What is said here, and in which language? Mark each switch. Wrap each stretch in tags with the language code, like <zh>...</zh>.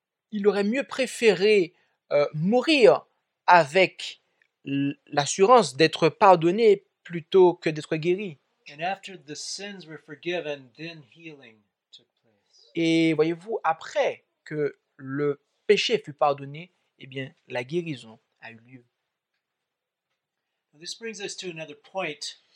<fr>il aurait mieux préféré mourir avec l'assurance d'être pardonné plutôt que d'être guéri.</fr> <en>And after the sins were forgiven, then healing took place.</en> <fr>Et voyez-vous, après que le péché fut pardonné, eh bien, la guérison a eu lieu.</fr> <en>This brings us to another point.</en>